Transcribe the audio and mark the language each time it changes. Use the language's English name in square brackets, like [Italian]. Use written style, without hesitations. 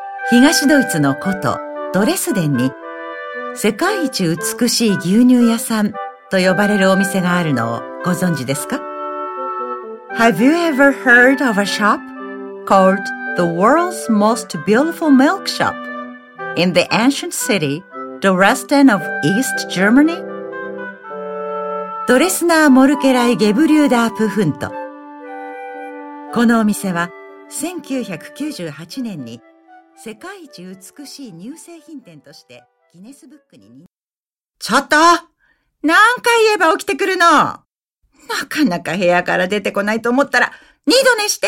[Japanese] 東ドイツの古都ドレスデンに、世界一美しい牛乳屋さんと呼ばれるお店があるのをご存知ですか？ [English] Have you ever heard of a shop called the world's most beautiful milk shop in the ancient city, Dresden of East Germany? [Japanese] ドレスナーモルケライゲブリューダープフント。このお店は1998年に世界一美しい乳製品店としてギネスブックに。ちょっと、何回言えば起きてくるの？なかなか部屋から出てこないと思ったら二度寝して。